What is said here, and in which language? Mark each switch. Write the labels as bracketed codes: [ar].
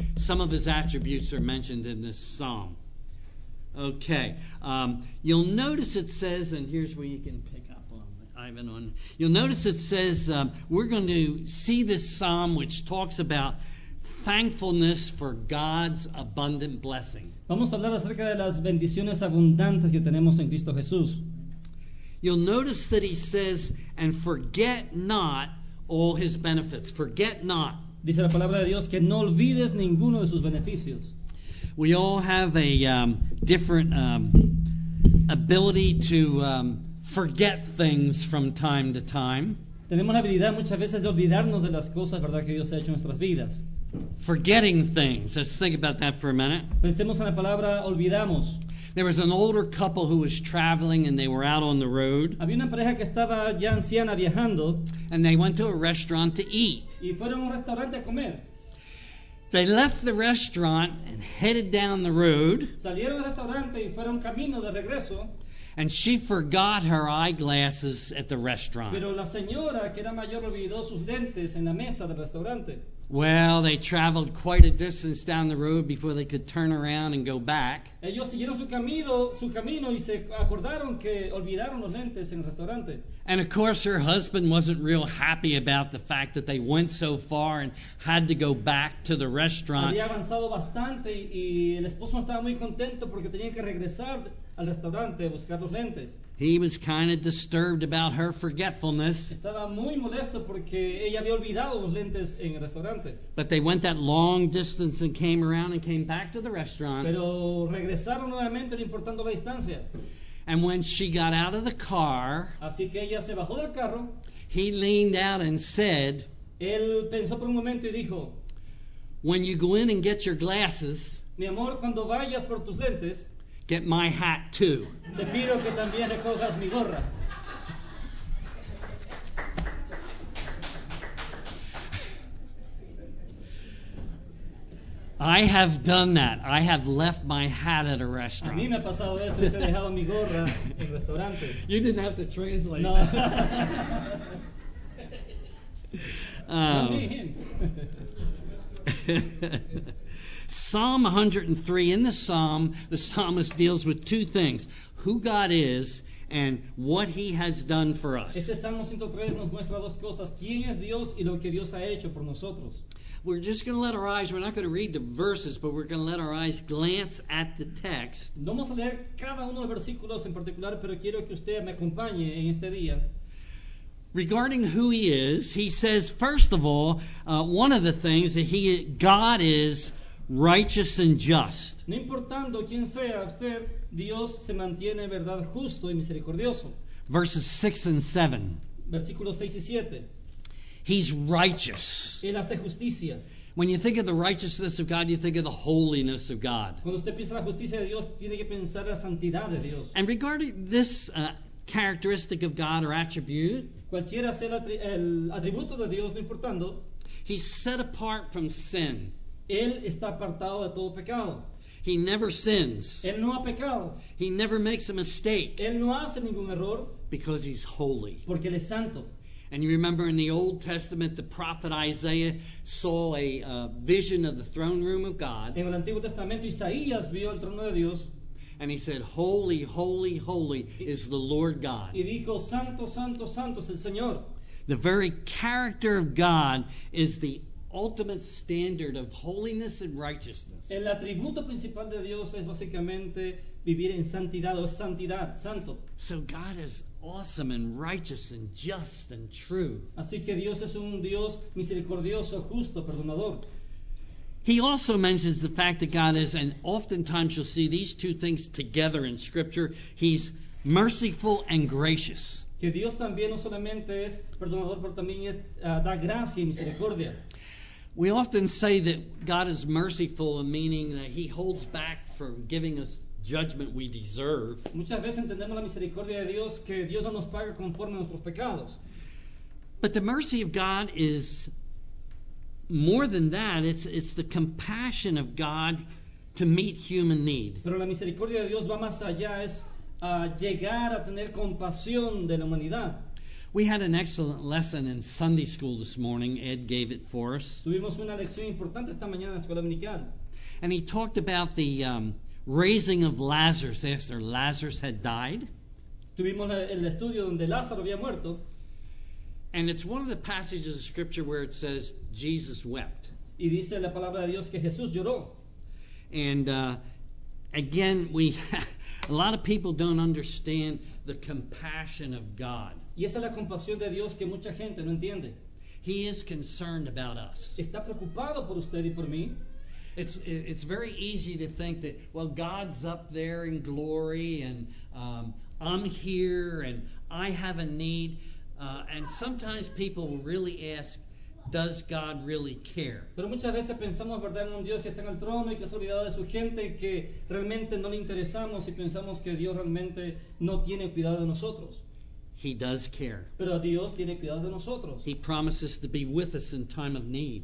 [en] Some of his attributes are mentioned in this psalm. Okay, you'll notice it says, and here's where you can pick up on Ivan. On you'll notice it says we're going to see this psalm, which talks about thankfulness for God's abundant blessing. [es] Vamos a hablar acerca de las bendiciones abundantes que tenemos en Cristo Jesús. [en] You'll notice that he says, and forget not all his benefits. Forget not. [es] Dice la palabra de Dios que no olvides ninguno de sus beneficios. [en] We all have a different ability to forget things from time to time. [es] Tenemos la habilidad muchas veces de olvidarnos de las cosas, ¿verdad?, que Dios ha hecho en nuestras vidas. [en] Forgetting things. Let's think about that for a minute. [es] Pensemos en la palabra olvidamos. [en] There was an older couple who was traveling and they were out on the road. [es] Había una pareja que estaba ya anciana viajando. [en] And they went to a restaurant to eat. [es] Y fueron a un restaurante a comer. [en] They left the restaurant and headed down the road. [es] Salieron del restaurante y fueron camino de regreso. [en] And she forgot her eyeglasses at the restaurant. [es] Pero la señora que era mayor olvidó sus lentes en la mesa del restaurante. [en] Well, they traveled quite a distance down the road before they could turn around and go back. [es] Ellos siguieron su camino y se acordaron que olvidaron los lentes en el restaurante. [en] And of course, her husband wasn't real happy about the fact that they went so far and had to go back to the restaurant. [es] Había avanzado bastante y el esposo no estaba muy contento porque tenía que regresar al restaurante a buscar los lentes. [en] He was kind of disturbed about her forgetfulness. [es] Estaba muy molesto porque ella había olvidado los lentes en el restaurante. [en] But they went that long distance and came around and came back to the restaurant. [es] Pero regresaron nuevamente, no importando la distancia. [en] And when she got out of the car, [es] así que ella se bajó del carro, [en] he leaned out and said, [es] él pensó por un momento y dijo, [en] when you go in and get your glasses, [es] mi amor, cuando vayas por tus lentes, [en] get my hat too. [es] Te pido que también recojas mi gorra. [en] I have done that. I have left my hat at a restaurant. [es] A mí me ha pasado eso y se ha dejado mi gorra en el restaurante. [en] You didn't have to translate. [es] No. [en] Psalm 103. In the psalmist deals with two things: who God is and what He has done for us. [es] Este Salmo 103 nos muestra dos cosas: quién es Dios y lo que Dios ha hecho por nosotros. [en] We're just going to let our eyes, we're not going to read the verses, but we're going to let our eyes glance at the text. [es] No vamos a leer cada uno de los versículos en particular, pero quiero que usted me acompañe en este día. [en] Regarding who He is, He says, first of all, one of the things that God is righteous and just. [es] No importando quién sea usted, Dios se mantiene, verdad, justo y misericordioso. [en] Verses 6 and 7. [es] Versículos 6 y 7. [en] He's righteous. [es] Él hace justicia. [en] When you think of the righteousness of God, you think of the holiness of God. [es] Cuando usted piensa la justicia de Dios, tiene que pensar la santidad de Dios. [en] And regarding this characteristic of God or attribute, [es] cualquiera sea el atributo de Dios, no importando, [en] He's set apart from sin. [es] Él está apartado de todo pecado. [en] He never sins. [es] Él no ha pecado. [en] He never makes a mistake. [es] Él no hace ningún error. [en] Because He's holy. [es] Porque Él es santo. [en] And you remember in the Old Testament, the prophet Isaiah saw a vision of the throne room of God. [es] En el Antiguo Testamento, Isaías vio el trono de Dios. [en] And he said, "Holy, holy, holy is the Lord God." [es] Y dijo, "Santo, santo, santo es el Señor." [en] The very character of God is the ultimate standard of holiness and righteousness. [es] El atributo principal de Dios es básicamente vivir en santidad o santidad, santo. [en] So God is awesome and righteous and just and true. [es] Así que Dios es un Dios misericordioso, justo, perdonador. [en] He also mentions the fact that God is, and oftentimes you'll see these two things together in Scripture, He's merciful and gracious. [es] Que Dios también no solamente es perdonador, pero también es da gracia y misericordia. [en] We often say that God is merciful, meaning that He holds back from giving us judgment we deserve. [es] Muchas veces entendemos la misericordia de Dios que Dios no nos paga conforme a nuestros pecados. [en] But the mercy of God is more than that. It's the compassion of God to meet human need. [es] Pero la misericordia de Dios va más allá, es llegar a tener compasión de la humanidad. [en] We had an excellent lesson in Sunday school this morning. Ed gave it for us. [es] Tuvimos una lección importante esta mañana en la escuela dominical. [en] And he talked about the raising of Lazarus after Lazarus had died. [es] Tuvimos el estudio donde Lázaro había muerto. [en] And it's one of the passages of Scripture where it says Jesus wept. [es] Y dice la palabra de Dios que Jesús lloró. [en] And again, a lot of people don't understand the compassion of God. [es] Y esa es la compasión de Dios que mucha gente no entiende. [en] He is concerned about us. [es] Está preocupado por usted y por mí. [en] It's very easy to think that, well, God's up there in glory and I'm here and I have a need. And sometimes people really ask, does God really care? [es] Pero muchas veces pensamos, ¿verdad?, en un Dios que está en el trono y que se ha olvidado de su gente, que realmente no le interesamos y pensamos que Dios realmente no tiene cuidado de nosotros. [en] He does care. [es] Pero Dios tiene cuidado de nosotros. [en] He promises to be with us in time of need.